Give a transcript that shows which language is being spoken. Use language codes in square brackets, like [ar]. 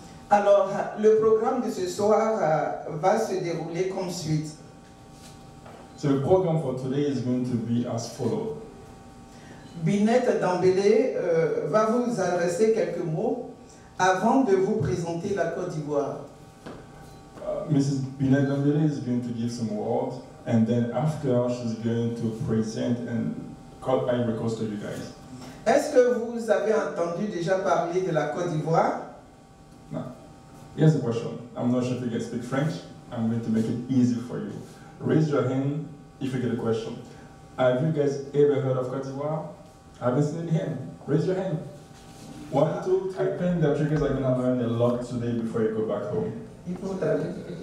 [fr] Alors, le programme de ce soir va se dérouler comme suit. [en] So the program for today is going to be as follows. [fr] Binette Dembélé va vous adresser quelques mots avant de vous présenter la Côte d'Ivoire. [en] Mrs. Binette Dembélé is going to give some words, and then after she's going to present and call Ivory Coast to you guys. [fr] Est-ce que vous avez entendu déjà parler de la Côte d'Ivoire? [en] No. Here's a question. I'm not sure if you can speak French. I'm going to make it easy for you. Raise your hand if you get a question. Have you guys ever heard of Côte d'Ivoire? Haven't seen it here? Raise your hand. One, two, three. I think the Africans are going to learn a lot today before you go back home.